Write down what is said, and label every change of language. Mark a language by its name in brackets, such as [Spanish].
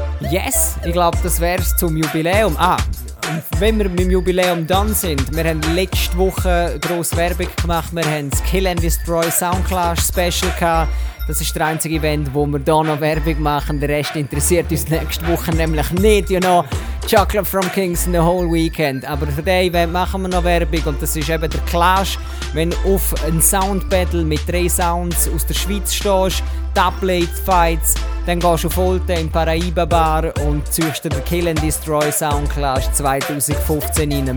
[German] Yes, ich glaube, das wäre es zum Jubiläum. Und wenn wir mit dem Jubiläum dann sind, wir haben letzte Woche grosse Werbung gemacht, wir haben das Kill and Destroy Soundclash Special gehabt. Das ist der einzige Event, wo wir hier noch Werbung machen. Der Rest interessiert uns nächste Woche nämlich nicht. [English] You know, Chocolate from Kings in the whole weekend. [German] Aber für den Event machen wir noch Werbung und das ist eben der Clash. Wenn du auf ein Soundbattle mit drei Sounds aus der Schweiz stehst, Double Eight Fights, dann gehst du auf Olten in Paraiba Bar und ziehst dir den Kill and Destroy Sound Clash 2015 rein.